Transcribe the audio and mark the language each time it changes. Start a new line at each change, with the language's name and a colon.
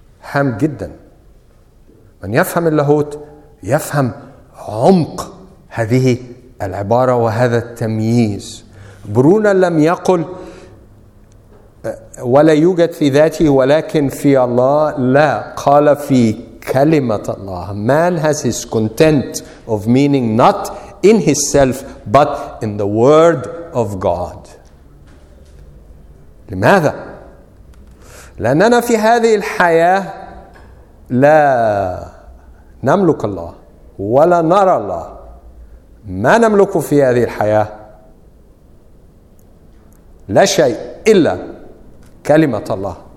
Arabic: هام جدا. من يفهم اللاهوت يفهم عمق هذه العبارة وهذا التمييز. برونر لم يقل ولا يوجد في ذاته ولكن في الله، لا، قال في كلمة الله.
English: Man has his content of meaning not in his self but in the word of God.
Arabic: لماذا؟ لأننا في هذه الحياة لا نملك الله ولا نرى الله. ما نملك في هذه الحياة؟ لا شيء إلا كلمة الله.